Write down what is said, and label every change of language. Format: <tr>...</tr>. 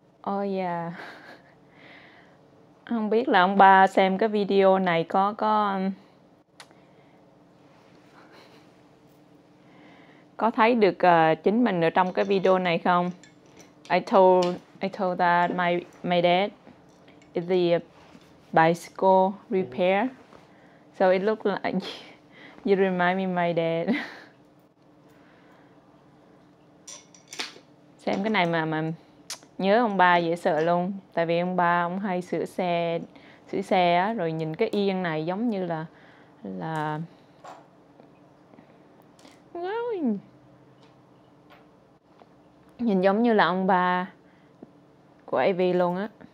<en>Oh yeah.</en> <vi>Không biết là ông ba xem cái video này có thấy được chính mình ở trong cái video này không?</vi> <en>I told that my dad is the bicycle repair. So it looked like you remind me of my dad.</en> <vi>Xem cái này mà nhớ ông ba dễ sợ luôn. Tại vì ông ba ông hay sửa xe á, rồi nhìn cái yên này giống như là nhìn giống như là ông ba của Ivy luôn á.</vi>